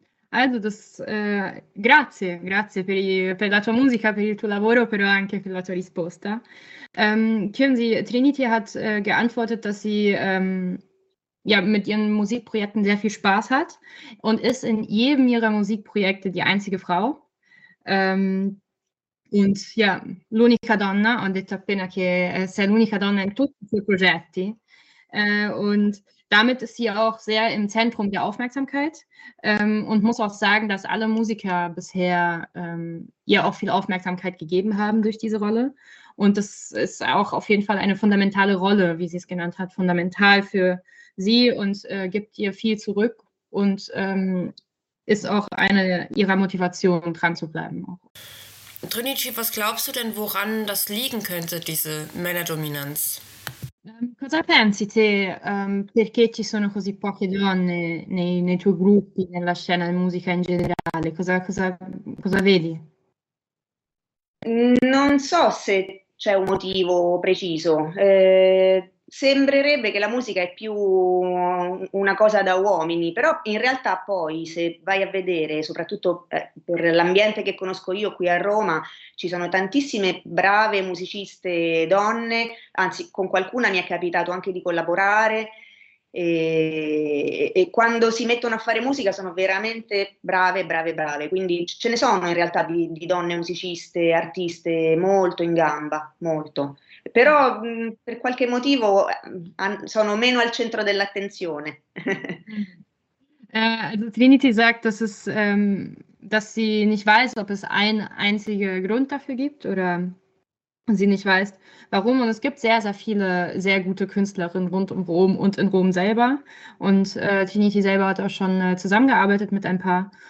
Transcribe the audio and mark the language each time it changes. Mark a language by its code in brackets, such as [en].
[it] Also grazie per la tua musica, per il tuo lavoro, però anche per la tua risposta. [de] Können Sie, Trinity hat geantwortet, dass sie mit ihren Musikprojekten sehr viel Spaß hat und ist in jedem ihrer Musikprojekte die einzige Frau. Und ja, [it] l'unica donna, ho detto appena che sei l'unica donna in tutti i tuoi progetti. [de] Und damit ist sie auch sehr im Zentrum der Aufmerksamkeit und muss auch sagen, dass alle Musiker bisher ihr auch viel Aufmerksamkeit gegeben haben durch diese Rolle. Und das ist auch auf jeden Fall eine fundamentale Rolle, wie sie es genannt hat, fundamental für sie und gibt ihr viel zurück und ist auch eine ihrer Motivationen, dran zu bleiben. Trinity, was glaubst du denn, woran das liegen könnte, diese Männerdominanz? [it] Cosa pensi te? Perché ci sono così poche donne nei tuoi gruppi, nella scena della musica in generale? Cosa vedi? Non so se c'è un motivo preciso. Sembrerebbe che la musica è più una cosa da uomini, però in realtà poi se vai a vedere, soprattutto per l'ambiente che conosco io qui a Roma, ci sono tantissime brave musiciste donne, anzi con qualcuna mi è capitato anche di collaborare, e quando si mettono a fare musica sono veramente brave, brave, brave, quindi ce ne sono in realtà di donne musiciste, artiste molto in gamba, molto. Però per qualche motivo sono meno al centro dell'attenzione. [de] Trinity sagt, dass es, dass sie nicht weiß, ob es einen einzigen Grund dafür gibt oder sie nicht weiß, warum. Und es gibt sehr, sehr viele sehr gute Künstlerinnen rund um Rom und in Rom selber. Und Trinity selber hat auch schon zusammengearbeitet mit ein paar.